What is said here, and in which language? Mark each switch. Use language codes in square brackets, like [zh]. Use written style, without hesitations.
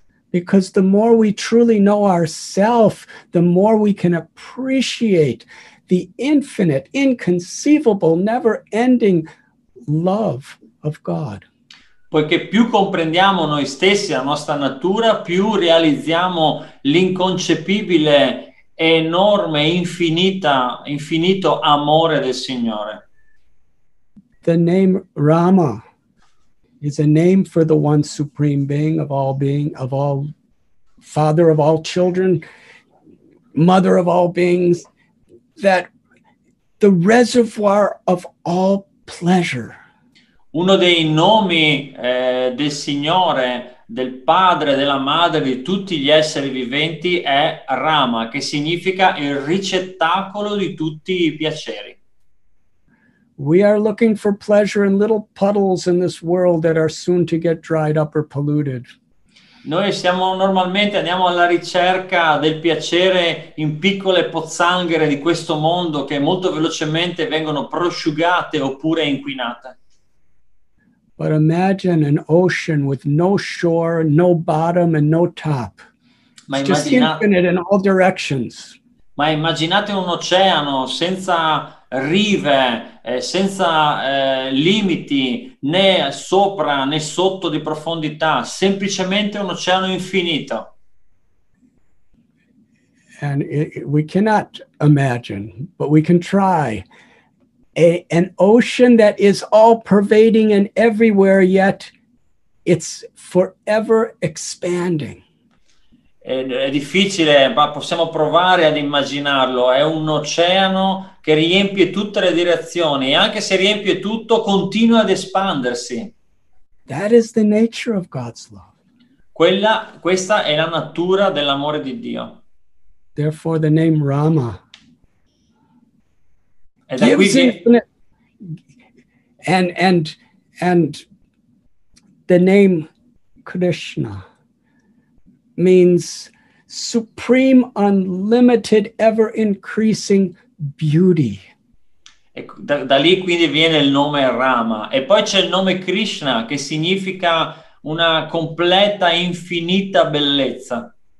[en] Because the more we truly know ourselves, the more we can appreciate the infinite, inconceivable, never-ending love of God. [it] Poiché più comprendiamo noi stessi, la nostra natura, più realizziamo l'inconcepibile, enorme, infinito amore del Signore. [en] The name Rama is a name for the one supreme being, of all, father of all children, mother of all beings, that the reservoir of all pleasure. [it] Uno dei nomi del Signore, del padre, della madre, di tutti gli esseri viventi è Rama, che significa il ricettacolo di tutti i piaceri. [en] We are looking for pleasure in little puddles in this world that are soon to get dried up or polluted. [it] Noi siamo normalmente andiamo alla ricerca del piacere in piccole pozzanghere di questo mondo che molto velocemente vengono prosciugate oppure inquinate. [en] But imagine an ocean with no shore, no bottom and no top. Just infinite in all directions. [it] Ma immaginate un oceano senza rive, senza limiti, né sopra né sotto di profondità, semplicemente un oceano infinito. [en] And we cannot imagine, but we can try. An ocean that is all pervading and everywhere, yet it's forever expanding. [it] È difficile, ma possiamo provare ad immaginarlo. È un oceano che riempie tutte le direzioni, e anche se riempie tutto, continua ad espandersi. [en] That is the nature of God's love. [it] Questa è la natura dell'amore di Dio. [en] Therefore, the name Rama. [it] E da qui [en] and the name Krishna means supreme, unlimited, ever increasing beauty. [it] E da lì quindi viene il nome Rama. E poi c'è il nome Krishna che significa una completa, infinita bellezza.